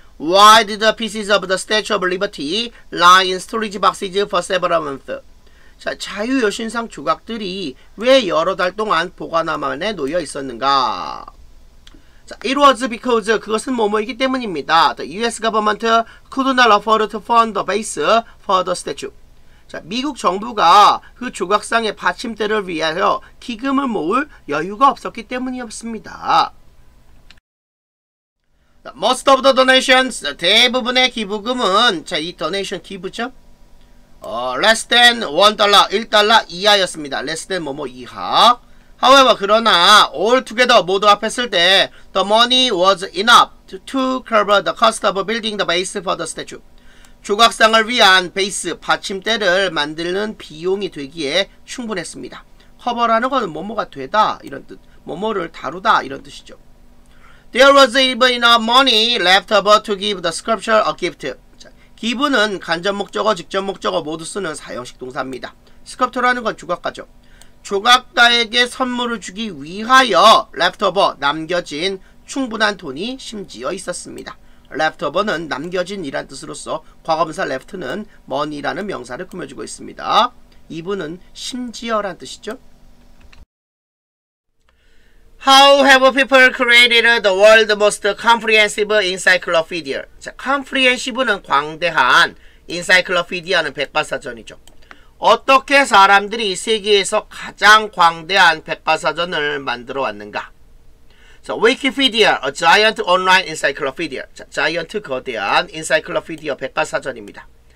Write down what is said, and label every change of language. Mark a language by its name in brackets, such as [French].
[English] Why did the pieces of the Statue of Liberty lie in storage boxes for several months? [Korean] 자, 자유 여신상 조각들이 왜 여러 달 동안 보관함 안에 놓여 있었는가? 자, [English] it was because [Korean] 그것은 뭐뭐이기 때문입니다. [English] The US government could not afford to fund the base for the statue. [Korean] 자, 미국 정부가 그 조각상의 받침대를 위하여 기금을 모을 여유가 없었기 때문이었습니다. [English] Most of the donations, [Korean] 대부분의 기부금은, 자, 이 donation 기부죠? [English] Less than $1, [Korean] $1 이하였습니다. [English] Less than [Korean] 뭐뭐 이하. [English] However, [Korean] 그러나, [English] all together [Korean] 모두 합했을 때, [English] the money was enough to cover the cost of building the base for the statue. [Korean] 조각상을 위한 베이스, 받침대를 만드는 비용이 되기에 충분했습니다. cover라는 건 뭐뭐가 되다, 이런 뜻. 뭐뭐를 다루다, 이런 뜻이죠. [English] There was even enough money left over to give the sculpture a gift. [Korean] 자, 기부는 간접 목적어, 직접 목적어 모두 쓰는 사형식 동사입니다. sculpture라는 건 조각가죠. 조각가에게 선물을 주기 위하여 left over, 남겨진 충분한 돈이 심지어 있었습니다. left over는 남겨진 이란 뜻으로서 과거분사 left는 money라는 명사를 꾸며주고 있습니다. 이분은 심지어란 뜻이죠. [English] How have people created the world's most comprehensive encyclopedia? [Korean] 자, comprehensive는 광대한, encyclopedia는 백과사전이죠. 어떻게 사람들이 세계에서 가장 광대한 백과사전을 만들어 왔는가? [English] So, Wikipedia, a giant online encyclopedia. [Korean] 자, giant, 거대한, encyclopedia, 백과사전입니다.